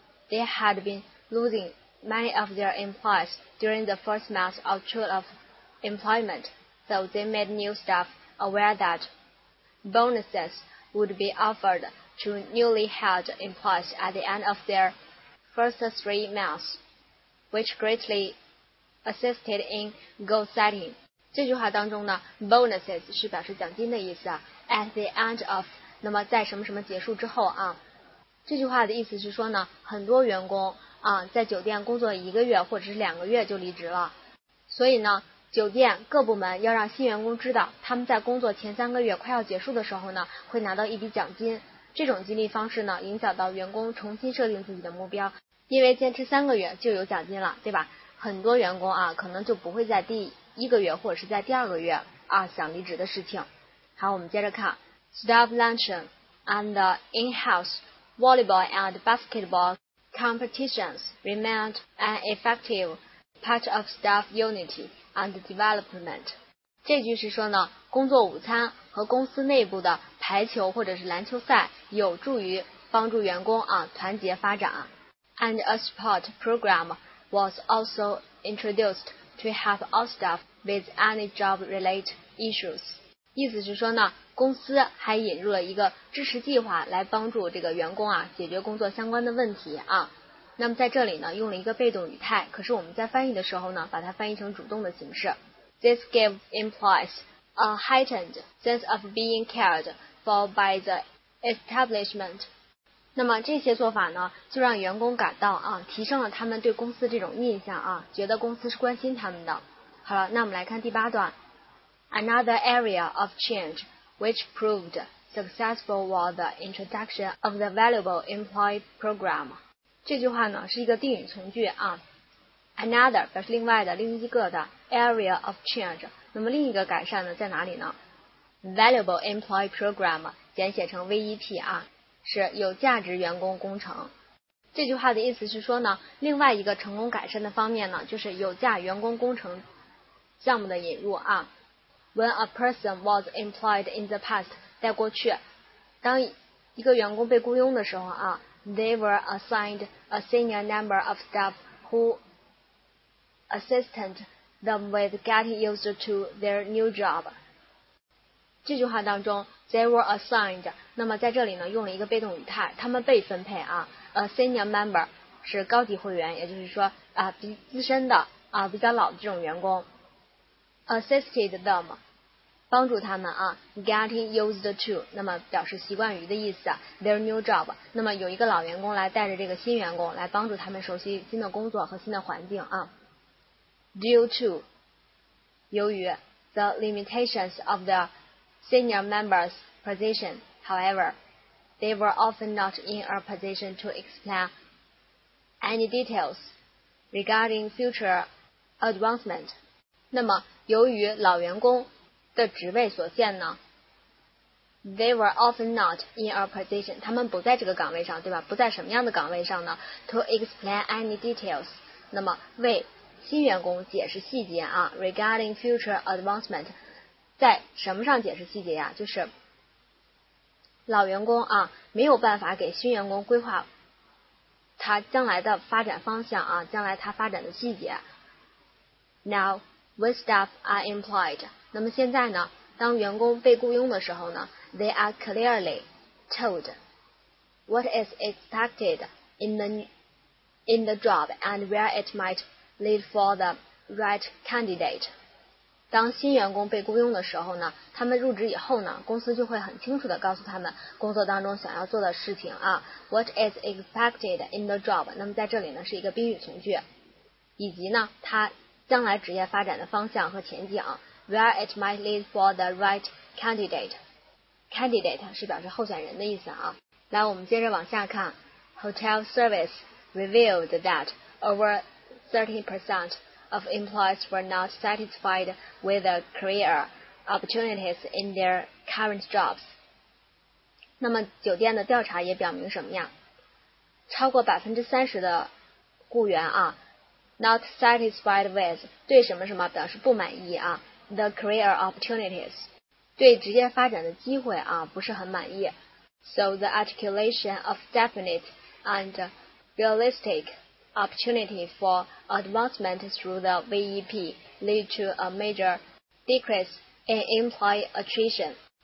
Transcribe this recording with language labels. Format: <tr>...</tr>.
<en>They had been losing many of their employees during the first month or two of employment, so they made new staff aware that bonuses would be offered to newly hired employees at the end of their first 3 months, which greatly assisted in goal setting.</en> <zh>这句话当中呢 bonuses 是表示奖金的意思啊，</zh> <en>at the end of，</en> <zh>那么在什么什么结束之后啊，这句话的意思是说呢，很多员工啊，在酒店工作一个月或者是两个月就离职了，所以呢酒店各部门要让新员工知道他们在工作前三个月快要结束的时候呢会拿到一笔奖金，这种激励方式呢影响到员工重新设定自己的目标，因为坚持三个月就有奖金了，对吧？很多员工啊可能就不会在第一个月或者是在第二个月啊想离职的事情。好，我们接着看。</zh> <en>Staff luncheon and the in-house volleyball and basketballcompetitions remained an effective part of staff unity and development.</en> <zh>这句是说呢，工作午餐和公司内部的排球或者是篮球赛有助于帮助员工啊团结发展。</zh> <en>And a sport program was also introduced to help our staff with any job-related issues.</en> <zh>意思是说呢，公司还引入了一个支持计划来帮助这个员工啊解决工作相关的问题啊。那么在这里呢，用了一个被动语态，可是我们在翻译的时候呢，把它翻译成主动的形式。</zh> <en>This gave employees a heightened sense of being cared for by the establishment.</en> <zh>那么这些做法呢，就让员工感到啊，提升了他们对公司这种印象啊，觉得公司是关心他们的。好了，那我们来看第八段。</zh> <en>Another area of change which proved successful was the introduction of the valuable employee program.</en> <zh>这句话呢是一个定语从句啊。 Another 表示另外的、另一个的</zh> <en>area of change.</en> <zh>那么另一个改善呢在哪里呢</zh> <en>？Valuable employee program</en> <zh>简写成</zh> <en>VEP 啊，</en> <zh>是有价值员工工程。这句话的意思是说呢，另外一个成功改善的方面呢，就是有价员工工程项目的引入啊。</zh> <en>When a person was employed in the past,</en> <zh>在过去，当一个员工被雇佣的时候啊</zh> <en>，they were assigned a senior number of staff who assisted them with getting used to their new job.</en> <zh>这句话当中 ，</zh> <en>they were assigned，</en> <zh>那么在这里呢，用了一个被动语态，他们被分配啊 ，</zh> <en>a senior member</en> <zh>是高级会员，也就是说啊，比资深的啊，比较老的这种员工。</zh> <en>Assisted them，</en> <zh>帮助他们啊 ，</zh> <en>getting used to，</en> <zh>那么表示习惯于的意思 ，</zh> <en>their new job，</en> <zh>那么有一个老员工来带着这个新员工来帮助他们熟悉新的工作和新的环境啊。</zh> <en>Due to，</en> <zh>由于</zh> <en>the limitations of the senior member's position， however， they were often not in a position to explain any details regarding future advancement。</en> <zh>那么由于老员工的职位所限呢</zh> <en>？They were often not in a position，</en> <zh>他们不在这个岗位上，对吧？不在什么样的岗位上呢</zh> <en>？To explain any details，</en> <zh>那么为新员工解释细节啊 ，</zh> <en>regarding future advancement，</en> <zh>在什么上解释细节呀？就是老员工啊没有办法给新员工规划他将来的发展方向啊，将来他发展的细节。</zh> <en>Now。 When staff are employed,</en> <zh>那么现在呢？当员工被雇佣的时候呢</zh> <en>？They are clearly told what is expected in the job and where it might lead for the right candidate.</en> <zh>当新员工被雇佣的时候呢，他们入职以后呢，公司就会很清楚地告诉他们工作当中想要做的事情啊。</zh> <en>What is expected in the job?</en> <zh>那么在这里呢，是一个宾语从句，以及呢，他。将来职业发展的方向和前景</zh> <en>，where it might lead for the right candidate。</en> <zh>candidate 是表示候选人的意思啊。来，我们接着往下看。</zh> <en>Hotel service revealed that over 30% of employees were not satisfied with the career opportunities in their current jobs。</en> <zh>那么酒店的调查也表明什么呀？超过30%的雇员啊。</zh> <en>Not satisfied with</en> <zh>对什么什么表示不满意啊</zh> <en>，the career opportunities</en> <zh>对职业发展的机会啊不是很满意。</zh> <en>So the articulation of definite and realistic opportunity for advancement through the VEP lead to a major decrease in employee attrition。</en>